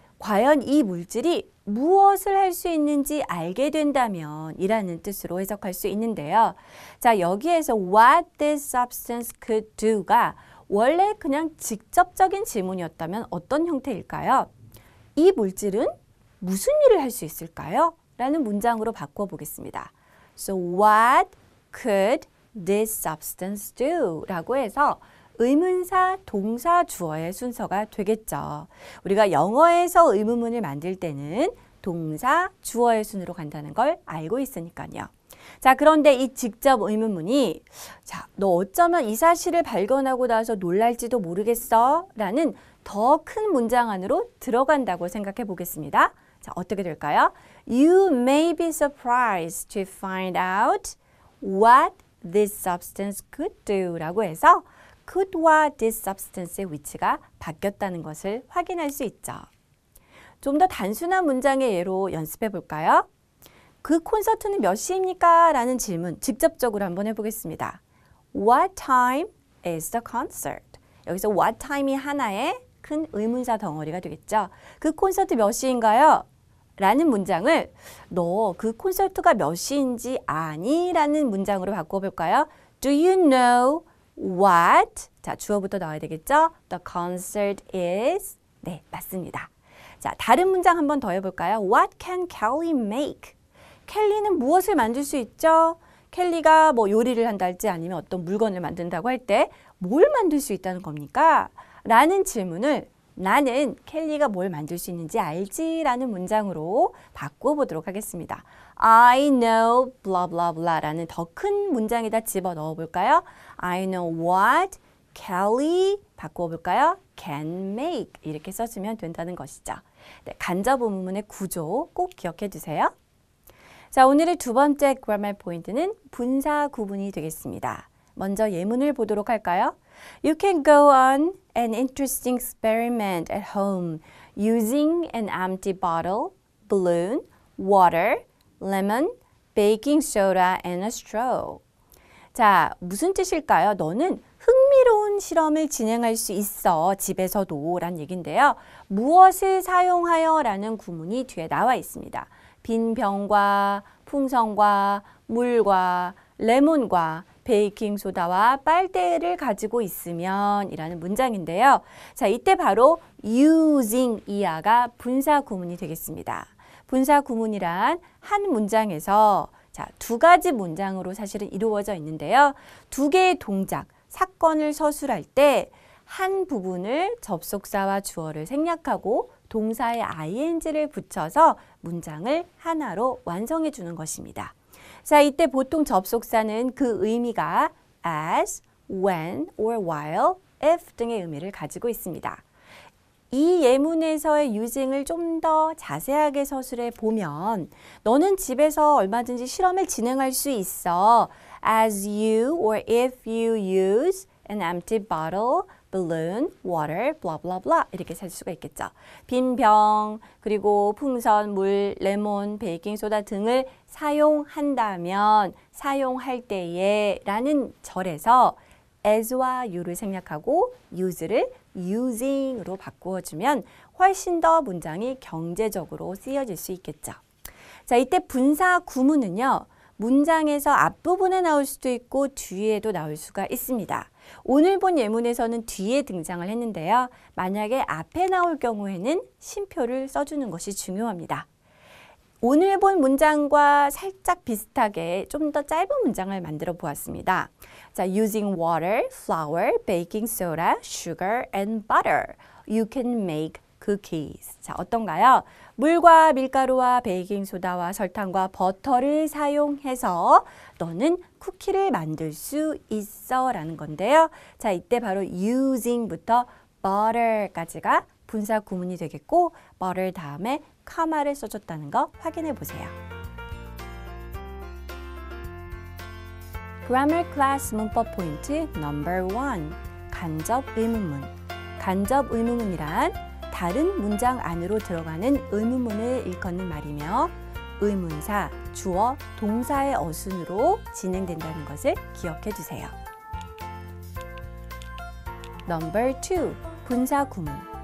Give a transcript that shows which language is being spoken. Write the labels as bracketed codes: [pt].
[ko] 과연 이 물질이 무엇을 할 수 있는지 알게 된다면 이라는 뜻으로 해석할 수 있는데요. 자, 여기에서 [en] what this substance could do [ko] 가 원래 그냥 직접적인 질문이었다면 어떤 형태일까요? 이 물질은 무슨 일을 할 수 있을까요? 라는 문장으로 바꿔 보겠습니다. [en] So what could this substance do? [ko] 라고 해서 의문사, 동사, 주어의 순서가 되겠죠. 우리가 영어에서 의문문을 만들 때는 동사, 주어의 순으로 간다는 걸 알고 있으니까요. 자, 그런데 이 직접 의문문이 자, 너 어쩌면 이 사실을 발견하고 나서 놀랄지도 모르겠어? 라는 더 큰 문장 안으로 들어간다고 생각해 보겠습니다. 자, 어떻게 될까요? [en] You may be surprised to find out what this substance could do [ko] 라고 해서 could와 this substance의 위치가 바뀌었다는 것을 확인할 수 있죠. 좀 더 단순한 문장의 예로 연습해 볼까요? 그 콘서트는 몇 시입니까? 라는 질문 직접적으로 한번 해보겠습니다. [en] What time is the concert? [ko] 여기서 what time이 하나의 큰 의문사 덩어리가 되겠죠. 그 콘서트 몇 시인가요? 라는 문장을 너 그 콘서트가 몇 시인지 아니? 라는 문장으로 바꿔볼까요? [en] Do you know what? [ko] 자, 주어부터 나와야 되겠죠? [en] The concert is. [ko] 네, 맞습니다. 자, 다른 문장 한 번 더 해볼까요? [en] What can Kelly make? [ko] 켈리는 무엇을 만들 수 있죠? 켈리가 뭐 요리를 한다 할지 아니면 어떤 물건을 만든다고 할 때 뭘 만들 수 있다는 겁니까? 라는 질문을 나는 켈리가 뭘 만들 수 있는지 알지? 라는 문장으로 바꿔보도록 하겠습니다. [en] I know blah blah blah [ko] 라는 더 큰 문장에다 집어넣어 볼까요? [en] I know what Kelly [ko] 바꿔 볼까요? [en] can make [ko] 이렇게 써주면 된다는 것이죠. 네, 간접 의문문의 구조 꼭 기억해 주세요. 자, 오늘의 두 번째 grammar 포인트는 분사 구분이 되겠습니다. 먼저 예문을 보도록 할까요? [en] You can go on an interesting experiment at home using an empty bottle, balloon, water, lemon, baking soda, and a straw. [ko] 자, 무슨 뜻일까요? 너는 흥미로운 실험을 진행할 수 있어, 집에서도, 라는 얘기인데요. 무엇을 사용하여? 라는 구문이 뒤에 나와 있습니다. 빈 병과 풍선과 물과 레몬과 베이킹 소다와 빨대를 가지고 있으면 이라는 문장인데요. 자, 이때 바로 using 이하가 분사 구문이 되겠습니다. 분사 구문이란 한 문장에서 자, 두 가지 문장으로 사실은 이루어져 있는데요. 두 개의 동작, 사건을 서술할 때 한 부분을 접속사와 주어를 생략하고 동사에 ing를 붙여서 문장을 하나로 완성해 주는 것입니다. 자, 이때 보통 접속사는 그 의미가 as, when, or while, if 등의 의미를 가지고 있습니다. 이 예문에서의 using을 좀 더 자세하게 서술해 보면 너는 집에서 얼마든지 실험을 진행할 수 있어. [en] As you or if you use an empty bottle, balloon, water, blah blah blah [ko] 이렇게 쓸 수가 있겠죠. 빈 병, 그리고 풍선, 물, 레몬, 베이킹 소다 등을 사용한다면 사용할 때에 라는 절에서 as와 you를 생략하고 use를 using으로 바꾸어주면 훨씬 더 문장이 경제적으로 쓰여질 수 있겠죠. 자, 이때 분사 구문은요. 문장에서 앞부분에 나올 수도 있고 뒤에도 나올 수가 있습니다. 오늘 본 예문에서는 뒤에 등장을 했는데요. 만약에 앞에 나올 경우에는 쉼표를 써주는 것이 중요합니다. 오늘 본 문장과 살짝 비슷하게 좀 더 짧은 문장을 만들어 보았습니다. [en] 자, using water, flour, baking soda, sugar and butter, you can make cookies. [ko] 자, 어떤가요? 물과 밀가루와 베이킹 소다와 설탕과 버터를 사용해서 너는 쿠키를 만들 수 있어라는 건데요. 자, 이때 바로 using부터 butter까지가 분사 구문이 되겠고 butter 다음에 comma를 써줬다는 거 확인해 보세요. [en] Grammar class [ko] 문법 포인트 [en] number 1. [ko] 간접 의문문. 간접 의문문이란 다른 문장 안으로 들어가는 의문문을 일컫는 말이며 의문사, 주어, 동사의 어순으로 진행된다는 것을 기억해 두세요. [en] Number 2. [ko] 분사 구문.